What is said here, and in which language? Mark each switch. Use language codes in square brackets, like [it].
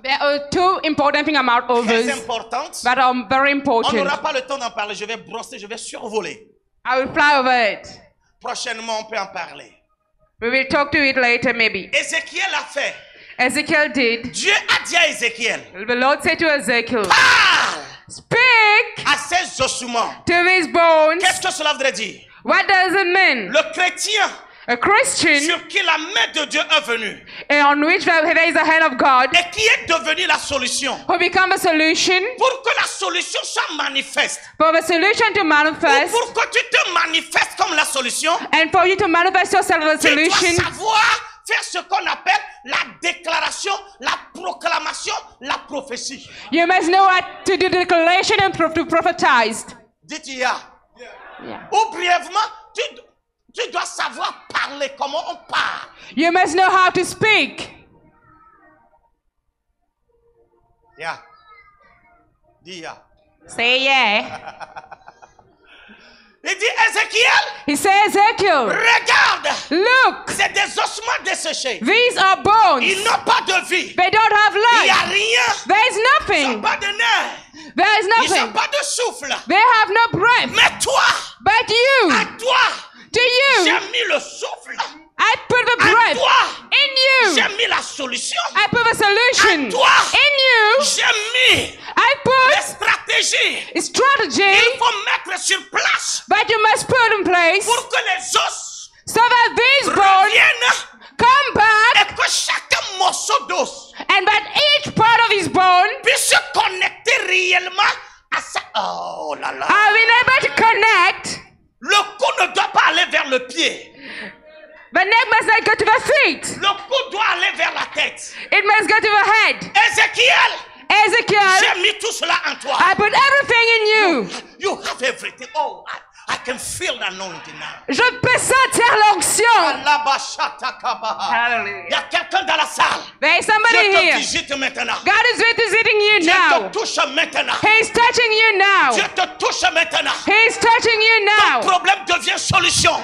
[en] There are two important things about others. [fr] Très importantes. [en] That are very important. [fr] On n'aura pas le temps d'en parler. Je vais brosser, je vais survoler. [en] I will fly over it. [fr] Prochainement, on peut en parler. [en] We will talk to it later, maybe. [fr] Ézéchiel a fait. [en] Ezekiel did. [fr] Dieu a dit à Ézéchiel. [en] The Lord said to Ezekiel. [fr] Parle. [en] Speak. [fr] À ses ossements. [en] To his bones. [fr] Qu'est-ce que cela voudrait dire? [en] What does it mean? [fr] Le chrétien. [en] A Christian. [fr] Sur qui la main de Dieu est venue. [en] And on which there is the hand of God. [fr] Et qui est devenu la solution. [en] Who become a solution. [fr] Pour que la solution soit manifeste. [en] For the solution to manifest. [fr] Ou pour que tu te manifestes comme la solution. [en] And for you to manifest yourself as a solution. [fr] Tu dois savoir. Faire ce qu'on appelle la déclaration, la proclamation, la prophétie. [en] You must know what to do, the declaration and to prophesize. [fr] Dites-y, yeah. Ou brièvement, tu dois savoir parler, comment on parle. [en] You must know how to speak. [fr] Yeah. Dis yeah. [en] Say yeah. [fr] Il dit Ézéchiel. [en] He says Ézéchiel. [fr] Regarde. [en] Look. [fr] C'est des ossements desséchés. [en] These are bones. [fr] Ils n'ont pas de vie. [en] They don't have life. [fr] Il y a rien. [en] There is nothing. [fr] Ils n'ont pas de nerfs. [en] There is nothing. [fr] Ils n'ont pas de souffle. [en] They have no breath. [fr] Mais toi. [en] But you. [fr] À toi. [en] To you. [fr] J'ai mis le souffle. [en] I put the breath. [fr] À toi. [en] In you. [fr] J'ai mis la solution. [en] I put the solution. [fr] À toi. [en] In you. [fr] J'ai mis. [en] I put [fr] les stratégies. [en] Strategy. [fr] Il faut mettre sur place. [en] But you must put in place. [fr] Pour que les os. [en] So that these bones. Come back. [fr] Et que chaque morceau d'os. [en] And that each part of his bone. [fr] Puisse connecter réellement à ça. Oh là là. [en] Are we able to connect? [fr] Le coup ne doit pas aller vers le pied. [en] The neck must not go to the feet. [fr] Le cou doit aller vers la tête. [en] It must go to the head. Ezekiel. Ezekiel. [fr] J'ai mis tout cela en toi. [en] I put everything in you. You have everything. Oh, I can feel the anointing now. [fr] Je peux sentir l'onction. [en] Hallelujah. [fr] Y a quelqu'un dans la salle. [en] There is somebody here. [fr] Dieu te visite maintenant. [en] God is visiting you [fr] now. Dieu te touche maintenant. [en] He is touching you now. [fr] Dieu te touche maintenant. [en] He is touching you now. [fr] Ton problème devient solution.